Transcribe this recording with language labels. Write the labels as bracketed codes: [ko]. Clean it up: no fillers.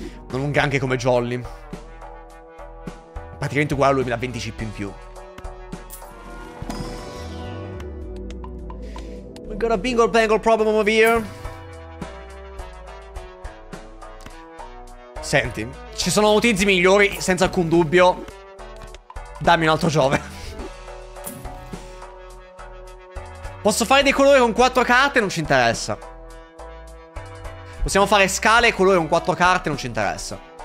[it] Non un granché come Jolly. Praticamente uguale a lui, mi dà 20 chip in più. [en] We got a bingo bangle problem over here. [it] Senti, ci sono utilizzi migliori, senza alcun dubbio. Dammi un altro Giove. Posso fare dei colori con 4 carte? Non ci interessa. Possiamo fare scale e colore con 4 carte? Non ci interessa.